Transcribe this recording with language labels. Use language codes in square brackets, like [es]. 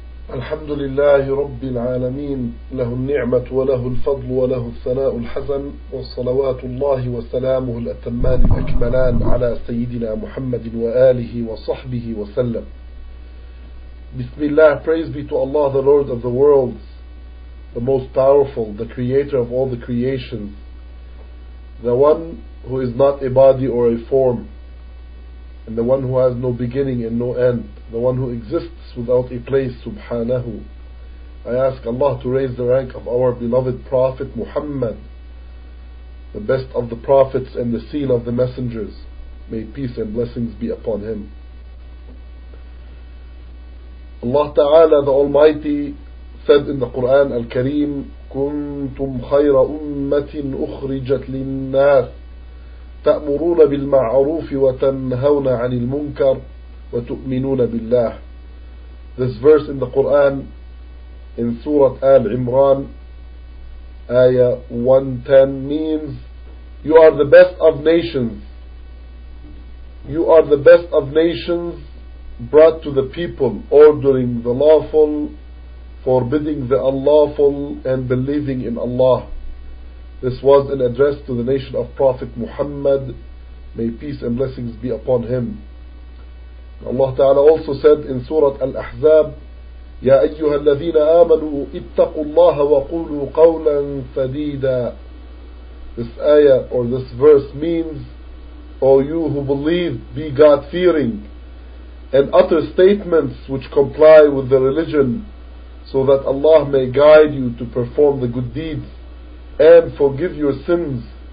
[ar] الحمد لله رب العالمين له النعمة وله الفضل وله الثناء الحسن والصلوات الله وسلامه الأتمان الأكملان على سيدنا محمد وآله وصحبه وسلم. بسم الله. [en] Praise be to Allah, the Lord of the worlds, the most powerful, the creator of all the creations, the one who is not a body or a form, and the one who has no beginning and no end, the one who exists without a place, subhanahu. I ask Allah to raise the rank of our beloved Prophet Muhammad, the best of the prophets and the seal of the messengers. May peace and blessings be upon him. Allah Ta'ala, the Almighty, said in the Quran Al-Kareem, [ar] كُنْتُمْ خَيْرَ أُمَّةٍ أُخْرِجَتْ لِلنَّاسِ تأمرون بالمعروف وتنهون عن المنكر وتؤمنون بالله. [en] This verse in the Quran in Surah Al Imran, Ayah 110, means you are the best of nations. You are the best of nations brought to the people, ordering the lawful, forbidding the unlawful, and believing in Allah. This was an address to the nation of Prophet Muhammad, may peace and blessings be upon him. Allah Ta'ala also said in Surah Al-Ahzab, [ar] يَا أَيُّهَا الَّذِينَ آمَنُوا اِتَّقُوا اللَّهَ وَقُولُوا قَوْلًا سَدِيدًا. [en] This ayah or this verse means, O you who believe, be God-fearing, and utter statements which comply with the religion, so that Allah may guide you to perform the good deeds and forgive your sins.